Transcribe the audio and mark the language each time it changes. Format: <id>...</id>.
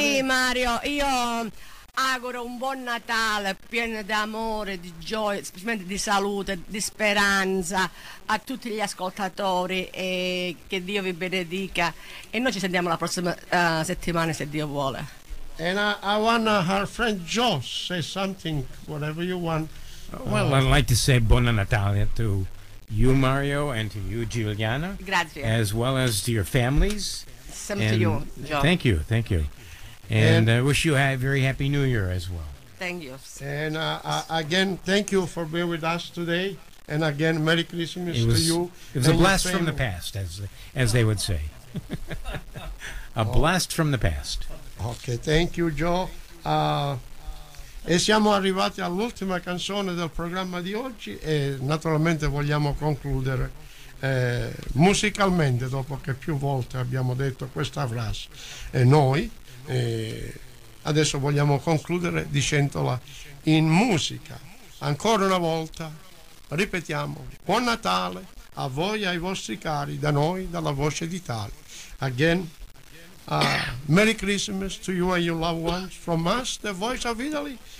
<it>Sì, Mario, io auguro un buon Natale pieno di amore, di gioia, specialmente di salute, di speranza a tutti gli ascoltatori, e che Dio vi benedica. E noi ci sentiamo la prossima settimana, se Dio vuole.</it> <en>And I want our friend Joe say something, whatever you want. Well, I'd like to say</en> <it>Buona Natale</it> <en>to you, Mario, and to you, Giuliana.</en> <it>Grazie.</it> <en>As well as to your families. Same and to you, Joe. Thank you, thank you. And I wish you a very happy New Year as well. Thank you. And again, thank you for being with us today. And again, Merry Christmas to you. It was a blast from the past, as they would say. A blast from the past. Okay, thank you, Joe.</en> <it>E siamo arrivati all'ultima canzone del programma di oggi e naturalmente vogliamo concludere musicalmente, dopo che più volte abbiamo detto questa frase. E noi adesso vogliamo concludere dicendola in musica. Ancora una volta ripetiamo: Buon Natale a voi e ai vostri cari da noi, dalla Voce d'Italia.</it> <en>Again, Merry Christmas to you and your loved ones from us, the Voice of Italy.</en>